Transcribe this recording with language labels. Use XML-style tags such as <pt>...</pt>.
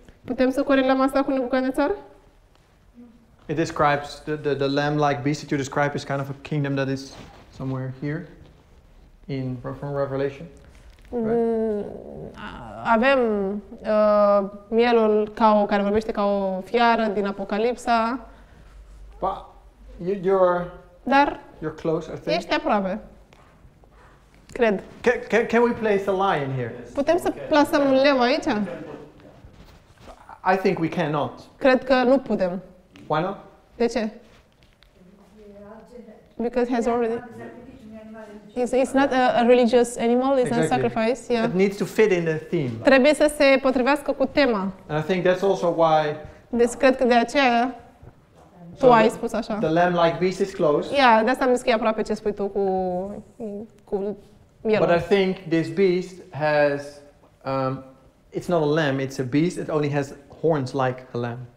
<ro>Putem să corelăm asta cu Nebucadnezar?</ro> <en>It describes the lamb-like beast that you describe is kind of a kingdom that is somewhere here in from Revelation. Right?</en> <ro>Avem mielul ca o care vorbește ca o fiară din Apocalipsa.</ro> <en>But you're close, I think.</en> <ro>Ești aproape. Cred.</ro> <en>Can we place a lion here?</en> <ro>Putem să plasăm un leu aici?</ro> <en>I think we cannot.</en> <ro>Cred că nu putem.</ro> <en>Why not?</en> <ro>De ce?</ro> <en>Because it has already. It's not a religious animal, it's exactly. A sacrifice. Yeah. It needs to fit in the theme.</en> <ro>Trebuie să se potrivească cu tema.</ro> <en>And I think that's also why.</en> <ro>Deci cred că de aceea. Tu ai spus așa.</ro> <en>The lamb-like beast is close.</en> <ro>Yeah, de asta am zis că e aproape ce spui tu cu mielul.</ro> <en>But I think this beast has, it's not a lamb, it's a beast, it only has horns like a lamb.</en>